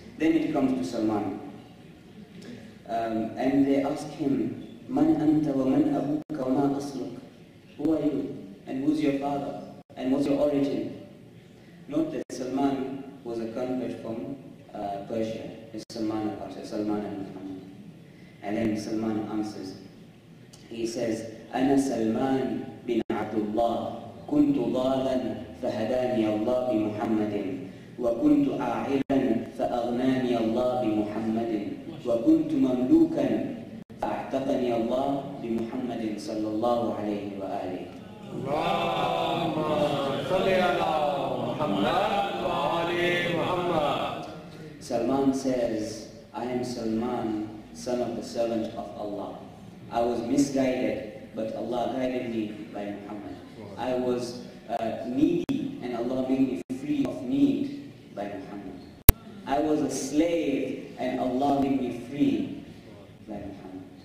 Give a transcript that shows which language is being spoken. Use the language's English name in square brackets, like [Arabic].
[English] Then it comes to Salman. And they ask him, [Arabic] Man anta wa man abuka wa ma asluk? [English] Who are you? And who's your father? And what's your origin? Note that Salman was a convert from Persia. It's Salman al-Farsi, Salman al-Muhammad. And then Salman answers. He says, [Arabic] أنا سلمان بن عبد الله كنت ضالا فهداني الله بمحمد وكنت عاهلا فأغناني الله بمحمد وكنت مملوكا فأعتقني الله بمحمد صلى الله عليه وآله. اللهم صل على محمد وعلى محمد. [English] سلمان says, I am Salman, son of the servant of Allah. I was misguided, but Allah guided me by Muhammad. I was needy, and Allah made me free of need by Muhammad. I was a slave, and Allah made me free by Muhammad.